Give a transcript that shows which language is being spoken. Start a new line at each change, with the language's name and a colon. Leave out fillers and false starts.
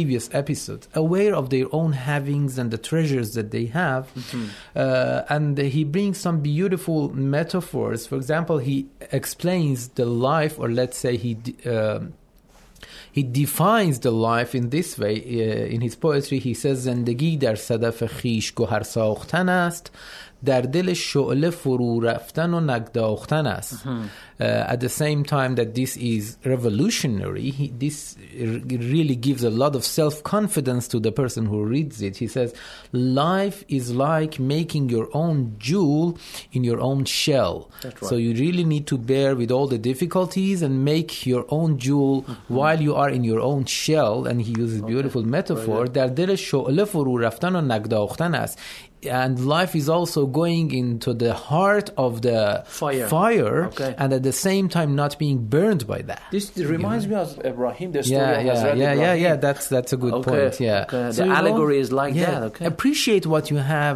English: previous episode, aware of their own havings and the treasures that they have. Mm-hmm. And he brings some beautiful metaphors. For example, he explains the life, or let's say he defines the life in this way. In his poetry, he says,
Persian: زندگی در صدف خیش گوهر ساختن است، در دل شعله فرو رفتن و نگداختن است.
English: At the same time that this is revolutionary, this really gives a lot of self-confidence to the person who reads it. He says, life is like making your own jewel in your own shell. That's right. So you really need to bear with all the difficulties and make your own jewel while you are in your own shell. And he uses a beautiful metaphor.
Persian: در دل شعله فرو رفتن و نگداختن است.
English: And life is also going into the heart of the fire and at the same time not being burned by that. This reminds me of Ibrahim, the story of Ibrahim. That's a good point. Yeah. Okay. The allegory is like that. Okay. Appreciate what you have.